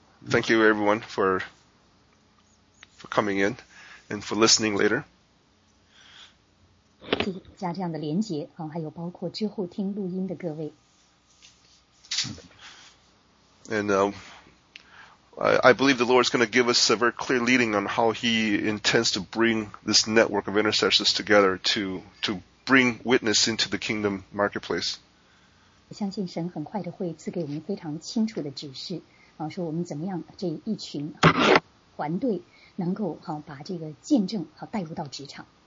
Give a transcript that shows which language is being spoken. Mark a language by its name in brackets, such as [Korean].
[English] Thank you everyone for coming in and for listening later. [Chinese] 加这样的连结，好，还有包括之后听录音的各位。 [English] And I believe the Lord is going to give us a very clear leading on how He intends to bring this network of intercessors together to bring witness into the kingdom marketplace. [Chinese] 我相信神很快的会赐给我们非常清楚的指示，好，说我们怎么样这一群团队能够好把这个见证好带入到职场。